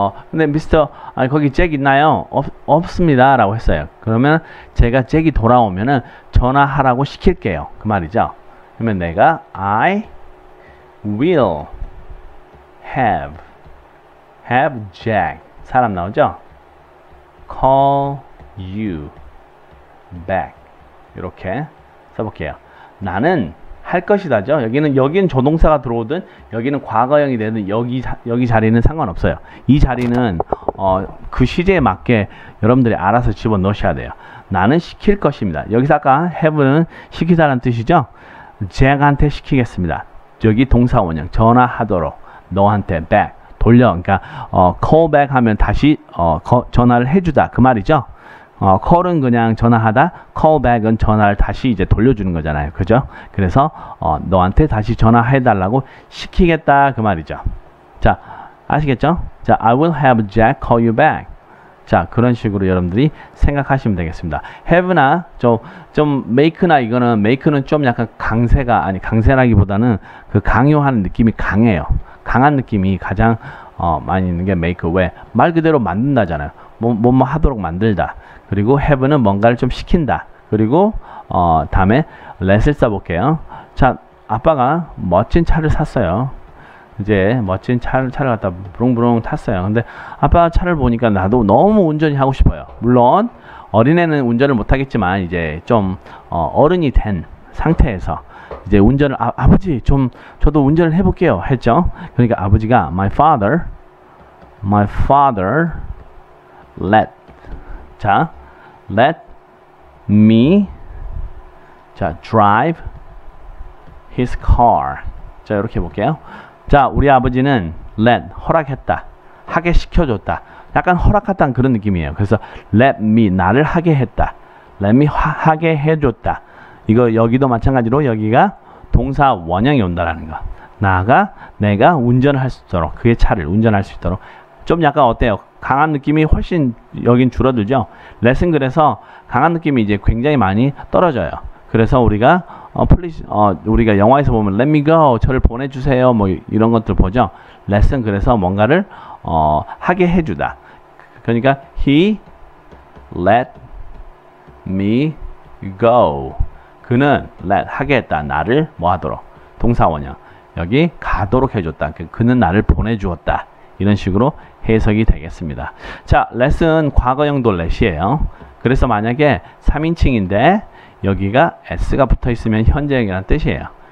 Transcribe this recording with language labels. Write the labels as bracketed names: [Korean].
[Korean] 근데 미스터 아니 거기 잭 있나요? 없습니다라고 했어요. 그러면 제가 잭이 돌아오면은 전화하라고 시킬게요. 그 말이죠. 그러면 내가 [English] I will have Jack [Korean] 사람 나오죠? [English] Call you back [Korean] 이렇게 써볼게요. 나는 할 것이다죠. 여기는 조동사가 들어오든 여기는 과거형이 되든 여기 자리는 상관없어요. 이 자리는 그 시제에 맞게 여러분들이 알아서 집어넣으셔야 돼요. 나는 시킬 것입니다. 여기서 아까 have는 시키다라는 뜻이죠. 잭한테 시키겠습니다. 여기 동사 원형 전화하도록 너한테 back 돌려. 그러니까 call back 하면 다시 전화를 해주다 그 말이죠. call은 그냥 전화하다, call back은 전화를 다시 이제 돌려주는 거잖아요. 그죠? 그래서 너한테 다시 전화해달라고 시키겠다 그 말이죠. 자, 아시겠죠? [English] 자, I will have Jack call you back. [Korean] 자, 그런 식으로 여러분들이 생각하시면 되겠습니다. Have나 좀 make나 이거는 make는 좀 약간 강세가 아니 강세라기보다는 그 강요하는 느낌이 강해요. 강한 느낌이 가장 많이 있는 게 make. 왜? 말 그대로 만든다잖아요. 뭐뭐뭐 하도록 만들다. 그리고 have는 뭔가를 좀 시킨다. 그리고 다음에 let을 써볼게요. 자, 아빠가 멋진 차를 샀어요. 이제 멋진 차를 갖다 부릉부릉 탔어요. 근데 아빠 차를 보니까 나도 너무 운전이 하고 싶어요. 물론 어린애는 운전을 못 하겠지만 이제 좀 어른이 된 상태에서 이제 운전을 아버지 좀 저도 운전을 해볼게요 했죠. 그러니까 아버지가 [English] my father let 자 let me 자 drive his car 자 [Korean] 이렇게 볼게요. 자, 우리 아버지는 let, 허락했다. 하게 시켜줬다. 약간 허락했다는 그런 느낌이에요. 그래서 let me, 나를 하게 했다. let me 하게 해줬다. 이거 여기도 마찬가지로 여기가 동사 원형이 온다라는 거. 나가, 내가 운전을 할수 있도록, 그의 차를 운전할 수 있도록. 좀 약간 어때요? 강한 느낌이 훨씬 여긴 줄어들죠? let은 그래서 강한 느낌이 이제 굉장히 많이 떨어져요. 그래서 우리가 please 우리가 영화에서 보면 [English] let me go [Korean] 저를 보내주세요 뭐 이런 것들 보죠. lesson 그래서 뭔가를 하게 해주다. 그러니까 [English] he let me go [Korean] 그는 [English] let [Korean] 하게 했다. 나를 뭐 하도록 동사 원형 여기 가도록 해줬다. 그는 나를 보내주었다. 이런 식으로 해석이 되겠습니다. 자, lesson 과거형도 let이에요. 그래서 만약에 3인칭인데 여기가 S가 붙어 있으면 현재형이란 뜻이에요.